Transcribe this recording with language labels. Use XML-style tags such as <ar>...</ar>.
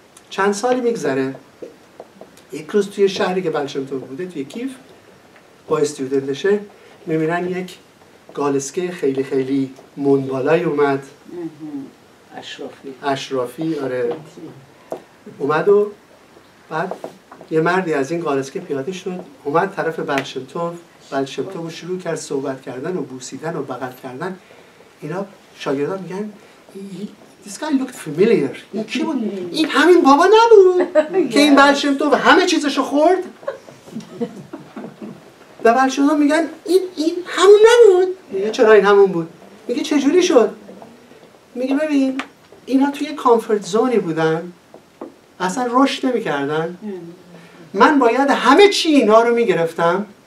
<fa>چند سالی میگذره، یک روز توی شهری که بلشمتوف بوده توی کیف با استودنتشه، میبینن یک گالسکه خیلی خیلی منبالای اومد، اشرافی، آره اومد. و بعد یه مردی از این گالسکه پیاده شد، اومد طرف بلشمتوف. بلشمتوف شروع کرد صحبت کردن و بوسیدن و بغل کردن. اینا شاگردان میگن</fa> <en>This guy looked familiar.</en> <fa>این کی بود؟ این همین بابا نبود که این بلشمتوف همه چیزشو خورد؟ و بلشمتوف میگن این همون نبود؟ میگه چرا این همون بود؟ میگه چجوری شد؟ میگه ببین اینا توی کامفورت زونی بودن، اصلا رشد نمیکردن، من باید همه چی اینا رو میگرفتم</fa>